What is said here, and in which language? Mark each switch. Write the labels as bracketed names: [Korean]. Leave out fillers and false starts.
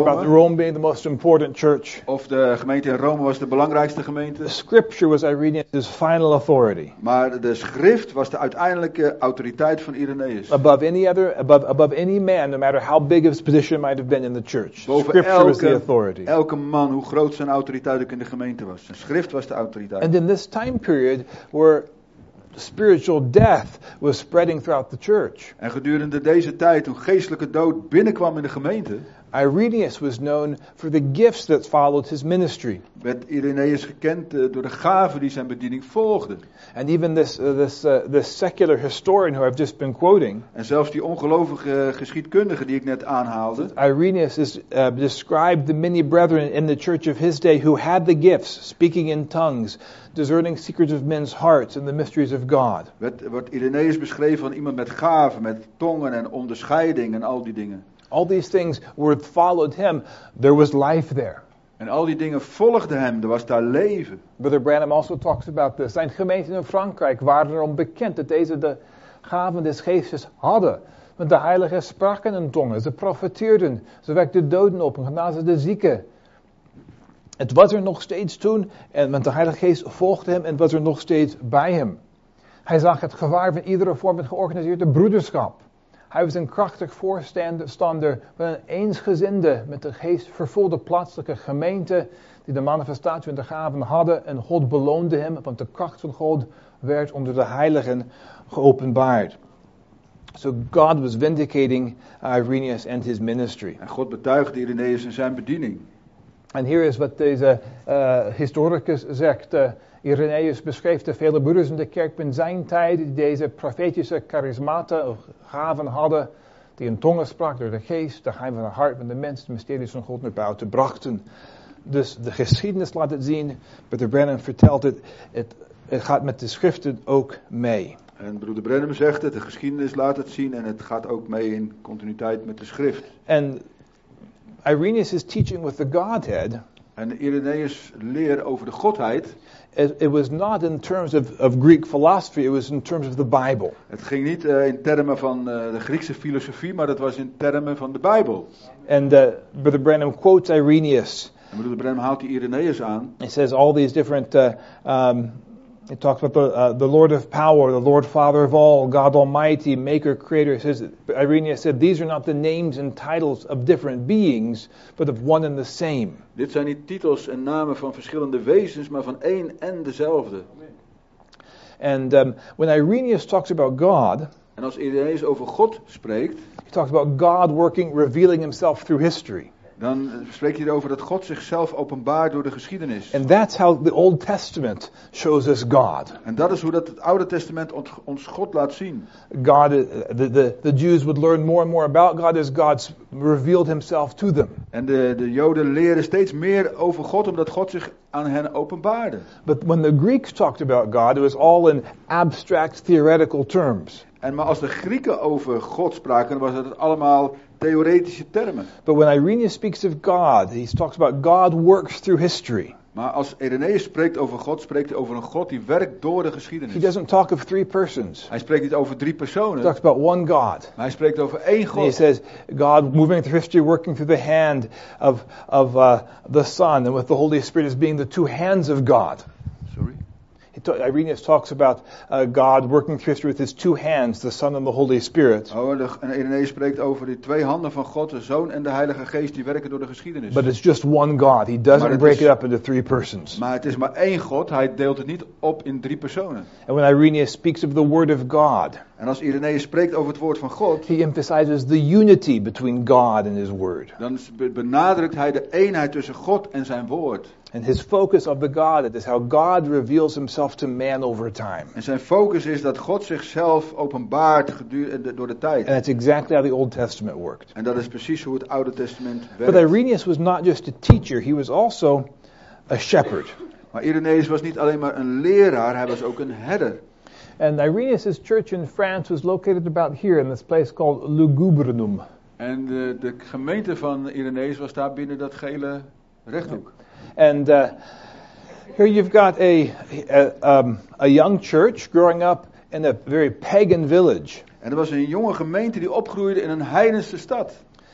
[English] Or about Rome being the most important church. [Dutch] Of de gemeente in Rome was de belangrijkste gemeente. [English] The scripture was Irenaeus' final authority. [Dutch] Maar de schrift was de uiteindelijke autoriteit van Irenaeus. [English] Above any man, no matter how big his position might have been in the church. [Dutch] Boven [English] scripture [Dutch] elke, [English] was the authority. [Dutch] Elke man, hoe groot zijn autoriteit ook in de gemeente was, zijn schrift was de autoriteit. [English] And in this time period, were spiritual death was spreading throughout the church. [Dutch] En gedurende deze tijd, toen geestelijke dood binnenkwam in de gemeente, [English] Irenaeus was known for the gifts that followed his ministry. [Dutch] Werd Irenaeus gekend door de gaven die zijn bediening volgden. [English] And even this secular historian who I've just been quoting. [Dutch] En zelfs die ongelovige geschiedkundige die ik net aanhaalde. [English] Irenaeus is described the many brethren in the church of his day who had the gifts, speaking in tongues, discerning secrets of men's hearts and the mysteries of God. [Dutch] Wordt Irenaeus beschreven van iemand met gaven, met tongen en onderscheiding en al die dingen. [English] All these things were followed him. There was life there. [Dutch] En al die dingen volgden hem. Er was daar leven. [English] Brother Branham also talks about this. [Dutch] Zijn gemeenten in Frankrijk waren erom bekend dat deze de gaven des geestes hadden. Want de heiligen spraken in tongen. Ze profeteerden. Ze wekten doden op en genazen de zieken. Het was er nog steeds toen. En want de heilige geest volgde hem en was er nog steeds bij hem. Hij zag het gevaar van iedere vorm van georganiseerde broederschap. Hij was een krachtig voorstander van een eensgezinde, met de geest vervulde plaatselijke gemeente, die de manifestatie en de gaven hadden en God beloonde hem, want de kracht van God werd onder de heiligen geopenbaard. [English] So God was vindicating Irenaeus and his ministry. [Dutch] En God betuigde Irenaeus en zijn bediening. En hier is wat deze historicus zegt. Irenaeus beschreef de vele broeders in de kerk in zijn tijd die deze profetische charismaten of gaven hadden. Die in tongen sprak door de geest, de geheim van het hart van de mens, de mysteries van God naar buiten brachten. Dus de geschiedenis laat het zien, Brother Branham vertelt het, het gaat met de schriften ook mee. En Broeder Branham zegt het, de geschiedenis laat het zien en het gaat ook mee in continuïteit met de schrift. [English] En Irenaeus' teaching with the Godhead. [Dutch] En Irenaeus' leer over de Godheid. [English] It was not in terms of Greek philosophy, it was in terms of the Bible. [Dutch] Het ging niet in termen van de Griekse filosofie, maar het was in termen van de Bijbel. [English] And Brother Branham quotes Irenaeus. [Dutch] En Brother Branham haalt die Irenaeus aan. [English] He says all these different, he talks about the Lord of power, the Lord Father of all, God Almighty, Maker, Creator. He says, Irenaeus said, these are not the names and titles of different beings, but of one and the same. [Dutch] Dit zijn niet titels en namen van verschillende wezens, maar van één en dezelfde. [English] And when Irenaeus talks about God, [Dutch] en als Irenaeus over God spreekt, [English] he talks about God working, revealing himself through history. [Dutch] Dan spreekt hij erover dat God zichzelf openbaart door de geschiedenis. [English] And that's how the Old Testament shows us God. [Dutch] En dat is hoe dat het Oude Testament ons God laat zien. [English] God, the Jews would learn more and more about God as God revealed himself to them. [Dutch] En de Joden leren steeds meer over God omdat God zich aan hen openbaarde. [English] But when the Greeks talked about God, it was all in abstract theoretical terms. [Dutch] En maar als de Grieken over God spraken, dan was het allemaal theoretische termen. [English] But when Irenaeus speaks of God, he talks about God works through history. [Dutch] Maar als Irenaeus spreekt over God, spreekt hij over een God die werkt door de geschiedenis. [English] He doesn't talk of three persons. [Dutch] Hij spreekt niet over drie personen. [English] He talks about one God. [Dutch] Maar hij spreekt over één God. [English] And he says God moving through history, working through the hand of the Son, and with the Holy Spirit as being the two hands of God. Irenaeus talks about God working through history with his two hands, the Son and the Holy Spirit. [Dutch] Oh, en Irenaeus spreekt over die twee handen van God, de Zoon en de Heilige Geest, die werken door de geschiedenis. [English] But it's just one God. He doesn't break it up into three persons. [Dutch] Maar het is maar één God. Hij deelt het niet op in drie personen. [English] And when Irenaeus speaks of the Word of God, [Dutch] en als Irenaeus spreekt over het woord van God, [English] he emphasizes the unity between God and his word. [Dutch] Dan benadrukt hij de eenheid tussen God en zijn woord. [English] And his focus of the God is how God reveals himself to man over time. [Dutch] En zijn focus is dat God zichzelf openbaart door de tijd. [English] And that's exactly how the Old Testament worked. [Dutch] En dat is precies hoe het Oude Testament werkt. [English] But Irenaeus was not just a teacher, he was also a shepherd. [Dutch] Maar Irenaeus was niet alleen maar een leraar, hij was ook een herder. [English] And Irenaeus' church in France was located about here in this place called Le Gouvernum. [Dutch] En de gemeente van Irenaeus was daar binnen dat gele rechthoek. [English] And here you've got a young church growing up in a very pagan village. [Dutch] En er was een jonge gemeente die opgroeide in een heidense stad.